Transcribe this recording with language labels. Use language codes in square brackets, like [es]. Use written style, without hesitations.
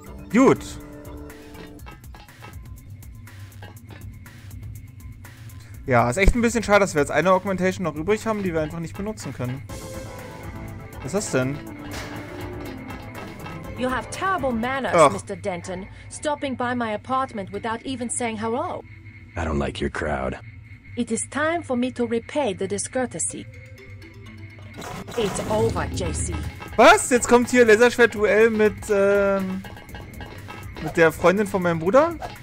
[de] Gut. Ja, ist echt ein bisschen schade, dass wir jetzt eine Augmentation noch übrig haben, die wir einfach nicht benutzen können. Was ist das denn? [en] You have terrible manners, ach. Mr. Denton, stopping by my apartment without even saying hello. I don't like your crowd. It is time for me to repay the discourtesy. It's over, JC. [de] Was? Jetzt kommt hier Laserschwert-Duell mit der Freundin von meinem Bruder?